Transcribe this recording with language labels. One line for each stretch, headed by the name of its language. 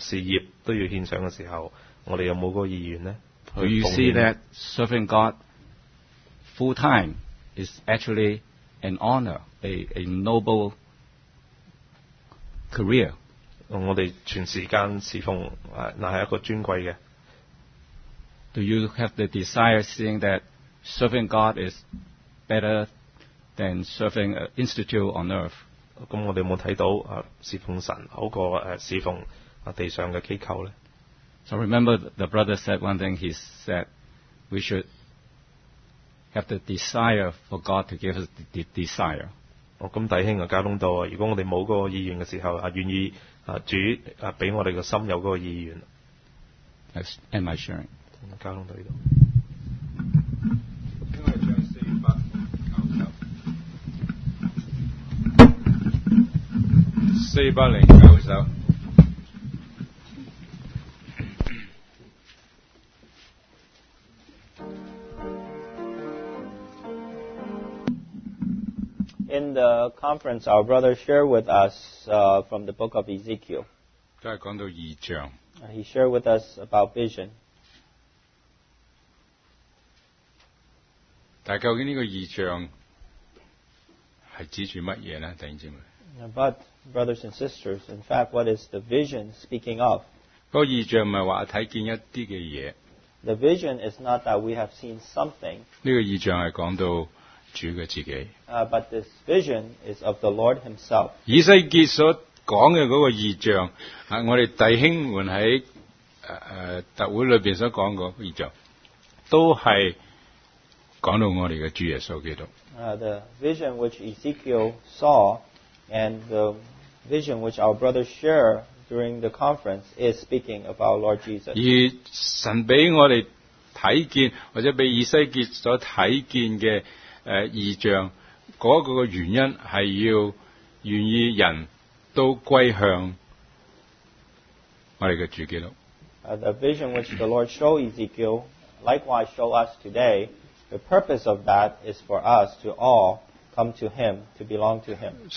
Chinese: 甚至将我们的事业都要献上的时候, 我们有没有意愿呢?
English: Do you see that serving God full time is actually an honor, a noble career?
Chinese: 我们全时间侍奉, 那是一个尊贵的。
English: Do you have the desire seeing that serving God is better than serving an institute on earth?
Chinese: 那我们有没有看到, 侍奉神好过, 侍奉, 地上的机构呢?
English: So remember the brother said one thing, he said we should have the desire for God to give us the desire.
Chinese: 那弟兄加东道, 如果我们没有那个意愿的时候, 愿意, 主, 给我们的心有那个意愿。
English: Let's end my sharing.
Chinese: 加东道这里。因为唱409首。409首。
English: In the conference, our brother shared with us from the book of Ezekiel.
Chinese: 都是讲到异象。
English: He shared with us about vision.
Chinese: 但究竟这个异象是指着什么呢, 弟兄姊妹?
English: But, brothers and sisters, in fact, what is the vision speaking of?
Chinese: 那个异象不是说看见一些东西。
English: The vision is not that we have seen something. But this vision is of the Lord Himself.
Chinese: 以西结所讲的那个异象, 我们弟兄们在特会里面所讲的异象, 都是讲到我们的主耶稣基督。
English: The vision which Ezekiel saw and the vision which our brother shared during the conference is speaking about Lord Jesus.
Chinese: 而神给我们看见, 或者被以西结所看见的, 异象那个原因是要愿意人都归向我们的主基督。
English: The vision which the Lord showed Ezekiel likewise show us today, the purpose of that is for us to all come to Him, to belong to Him.